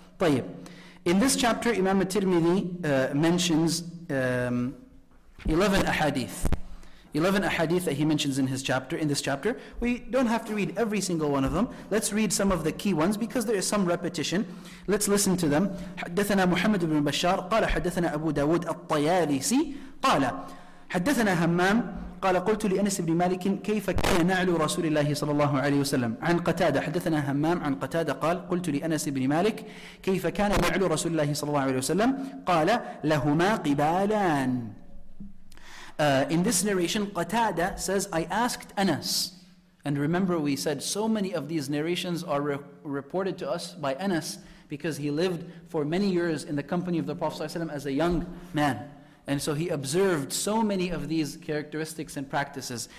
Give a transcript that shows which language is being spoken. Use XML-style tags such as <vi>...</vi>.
<ar>طيب.</ar> <en>In this chapter, Imam al-Tirmidhi mentions 11 ahadith. 11 ahadith that he mentions in his chapter, in this chapter. We don't have to read every single one of them. Let's read some of the key ones because there is some repetition. Let's listen to them.</en> <ar>حدثنا محمد بن بشار قال حدثنا أبو داود الطيالسي قال حدثنا همام قال قلت لأنس بن مالك كيف كان نعل رسول الله صلى الله عليه وسلم عن قتادة حدثنا همام عن قتادة قال قلت لأنس بن مالك كيف كان نعل رسول الله صلى الله عليه وسلم قال لهما قبالان.</ar> <en>In this narration, Qatada says, I asked Anas. And remember we said so many of these narrations are reported to us by Anas because he lived for many years in the company of the Prophet ﷺ as a young man. And so he observed so many of these characteristics and practices.</en>